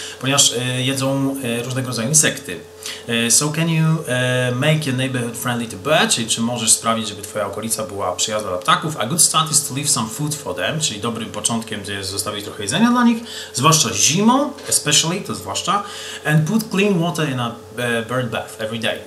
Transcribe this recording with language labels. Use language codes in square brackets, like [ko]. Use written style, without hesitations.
[pl] Ponieważ jedzą różnego rodzaju insekty. [en] So can you make your neighborhood friendly to birds? [pl] Czyli czy możesz sprawić, żeby twoja okolica była przyjazna dla ptaków? [en] A good start is to leave some food for them. [pl] Czyli dobrym początkiem jest zostawić trochę jedzenia dla nich. Zwłaszcza zimą, especially, to zwłaszcza. [en] And put clean water in a bird bath every day.